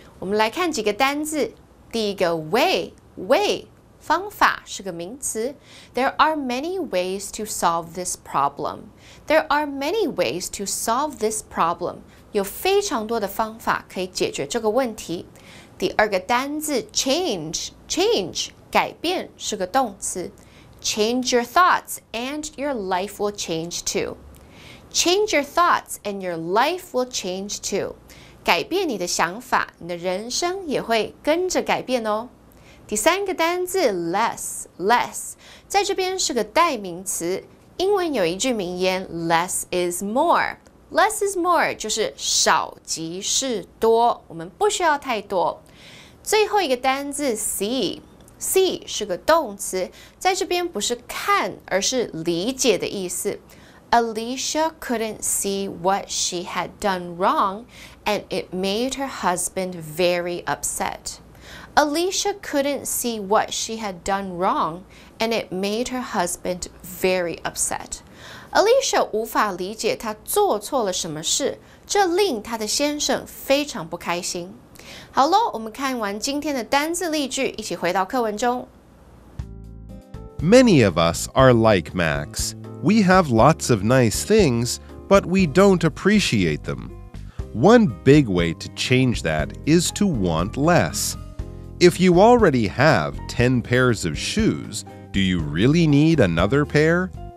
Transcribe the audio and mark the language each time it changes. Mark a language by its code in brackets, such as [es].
[zh] 我们来看几个单字，第一个 way 方法是个名词。 [en] There are many ways to solve this problem. There are many ways to solve this problem. [zh] 有非常多的方法可以解决这个问题。第二个单字 change. 改变是个动词 [en] Change your thoughts and your life will change too. Change your thoughts and your life will change too. [zh] 改变你的想法，你的人生也会跟着改变哦。第三个单字 less 在这边是个代名词。英文有一句名言 [en] less is more. Less is more [zh] 就是少即是多，我们不需要太多。最后一个单字 see 是个动词，在这边不是看，而是理解的意思。 [en] Alicia couldn't see what she had done wrong, and it made her husband very upset. Alicia couldn't see what she had done wrong, and it made her husband very upset. [zh] Alicia 无法理解她做错了什么事，这令她的先生非常不开心。好咯，我们看完今天的单字例句，一起回到课文中。 [en] Many of us are like Max. We have lots of nice things, but we don't appreciate them. One big way to change that is to want less. If you already have 10 pairs of shoes, do you really need another pair?